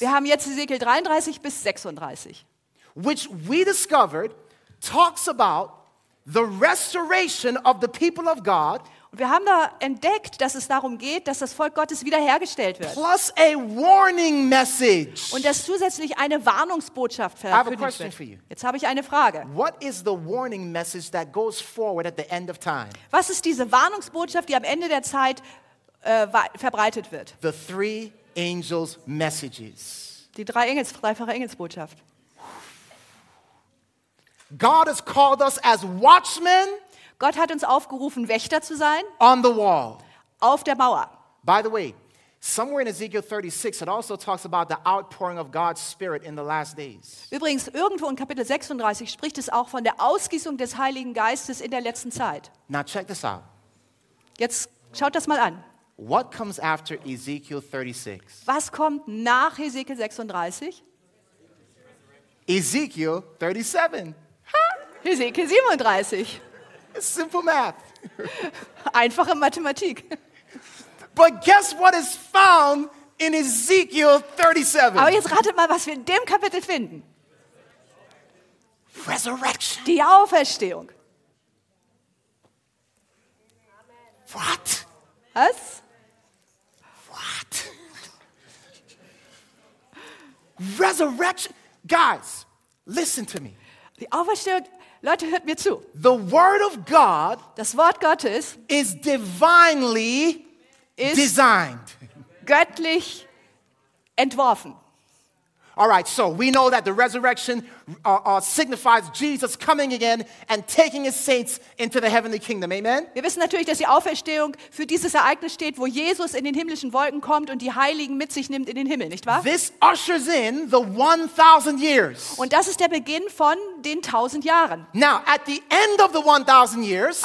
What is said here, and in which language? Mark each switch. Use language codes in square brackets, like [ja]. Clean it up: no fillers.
[de] Wir haben jetzt Ezekiel 33 bis 36. [en] Which we discovered talks about the restoration of the people of God. [de] Und wir haben da entdeckt, dass es darum geht, dass das Volk Gottes wiederhergestellt wird. [en] Plus a warning message. [de] Und dass zusätzlich eine Warnungsbotschaft verkündet wird. [en] I have a question for you. [de] Jetzt habe ich eine Frage. [en] What is the warning message that goes forward at the end of time? [de] Was ist diese Warnungsbotschaft, die am Ende der Zeit verbreitet wird? [en] The three angels' messages. [de] Die drei Engels, dreifache Engelsbotschaft. [en] God has called us as watchmen. [de] Gott hat uns aufgerufen, Wächter zu sein. [en] On the wall. [de] Auf der Mauer. [en] By the way, somewhere in Ezekiel 36, it also talks about the outpouring of God's Spirit in the last days. [de] Übrigens, irgendwo in Kapitel 36 spricht es auch von der Ausgießung des Heiligen Geistes in der letzten Zeit. [en] Now check this out. [de] Jetzt schaut das mal an. [en] What comes after Ezekiel 36? [de] Was kommt nach Ezekiel 36? [en] Ezekiel 37. [de] Ha! Ezekiel 37. [en] Simple math. [de] Einfache Mathematik. [en] But guess what is found in Ezekiel 37? [de] Aber jetzt ratet mal, was wir in dem Kapitel finden. [en] Resurrection. [de] Die Auferstehung. [en] What? [de] Was? [en] What? Resurrection. Guys, listen to me. [de] Die Auferstehung. Leute, hört mir zu. [en] The word of God, [de] das Wort Gottes, [en] is divinely [de] ist [en] designed. [de] Göttlich entworfen. [en] All right, so we know that the resurrection signifies Jesus coming again and taking his saints into the heavenly kingdom. [de] Amen. Wir wissen natürlich, dass die Auferstehung für dieses Ereignis steht, wo Jesus in den himmlischen Wolken kommt und die Heiligen mit sich nimmt in den Himmel, nicht wahr? [en] This ushers in the 1000 years. [de] Und das ist der Beginn von den 1000 Jahren. [en] Now, at the end of the 1000 years,